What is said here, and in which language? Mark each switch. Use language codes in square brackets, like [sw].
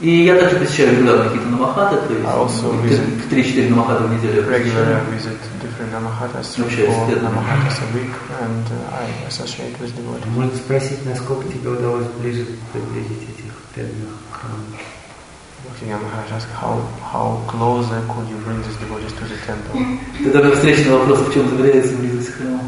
[ru] И я также посещаю регулярно какие-то намахаты, то есть 3-4 намахата в неделю я посещаю. Можно спросить, насколько тебе удалось ближе приблизить этих преданных храмов? [en] How close could you bring these devotees to the temple? [ru] Это встречный вопрос, в чем заключается близость к храму?